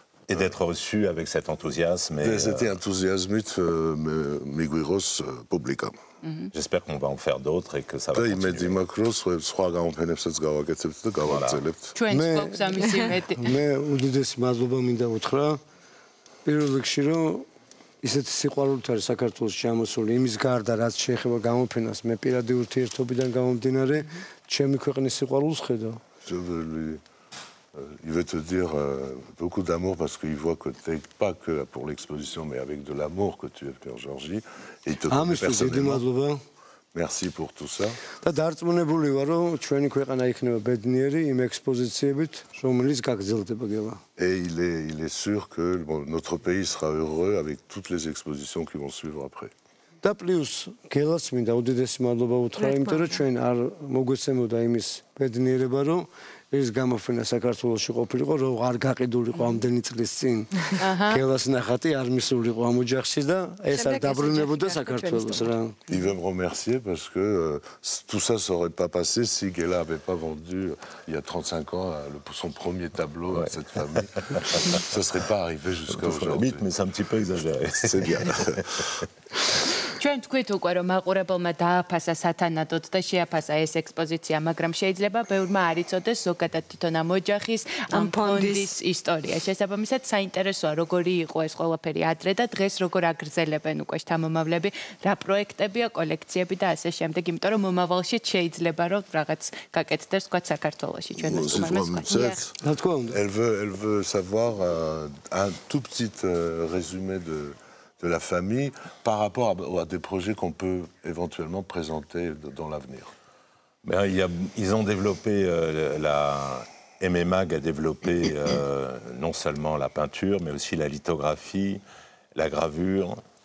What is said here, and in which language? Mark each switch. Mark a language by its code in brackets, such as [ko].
[fr] Et d'être reçu avec cet enthousiasme. C'était enthousiasme, Miguiros, public. J'espère qu'on va en faire d'autres et que ça va continuer. [ka] ისეთი სიყვარულით არის საქართველოს ჩამოსული იმის გარდა რაც შეეხება გამოფენას მე პირადი ურთიერთობიდან გამომდინარე ჩემი ქვეყნის სიყვარულს ხედავ. [fr] Jeveli il veut te dire beaucoup d'amour parce qu'il voit que tu es pas que pour l'exposition mais avec de l'amour que tu es pour Georgie et personnellement. Merci pour tout ça. [ka] Და დარწმუნებული ვარ რომ ჩვენი ქვეყანა იქნება ბედნიერი იმ ექსპოზიციებით რომელიც გაგრძელდება გელა. [fr] Et il est sûr que notre pays sera heureux avec toutes les expositions qui vont suivre après. [ka] Და პლუს გელას მინდა უდიდესი მადლობა უთხრა, იმიტომ რომ ჩვენ არ მოგვეცემოდა იმის ბედნიერება რომ ეს გამოფენა საქართველოსში ყოფილიყო, რომ არ გაყიდულიყო ამდენი წლის წინ. გელას ნახატი არ მისულიყო ამ ოჯახში და ეს არ დაბრუნებოდა საქართველოს რა. [fr] Il veut me remercier parce que tout ça serait pas passé si Gela avait pas vendu il y a 35 ans son premier tableau à cette famille. Ça serait pas arrivé jusqu'à aujourd'hui. Mais c'est un petit peu exagéré. C'est bien. [ka] ჩვენ თქვით უკვე რომ აყურებელმა დააფასა სათანადოდ და შეაფასა ეს ექსპოზიცია, მაგრამ შეიძლება ბევრმა არ იცოდეს ზოგადად თვითონ ამ ოჯახის ამ ფონდის ისტორია. შესაბამისად საინტერესოა როგორი იყო ეს ყველაფერი ადრე და დღეს როგორ აგრძელებენ უკვე შთამომავლები, რა პროექტებია, კოლექციები და ასე შემდეგ, იმიტომ რომ მომავალში შეიძლება რომ რაღაც გაკეთდეს თქვა საქართველოში ჩვენ ეს მომავალში. Რა თქმა უნდა. [fr] Elle veut savoir un tout petit résumé de la famille par rapport à des projets qu'on peut éventuellement présenter dans l'avenir. Ben, ils ont développé, la MMAG a développé non seulement la peinture, mais aussi la lithographie, la gravure.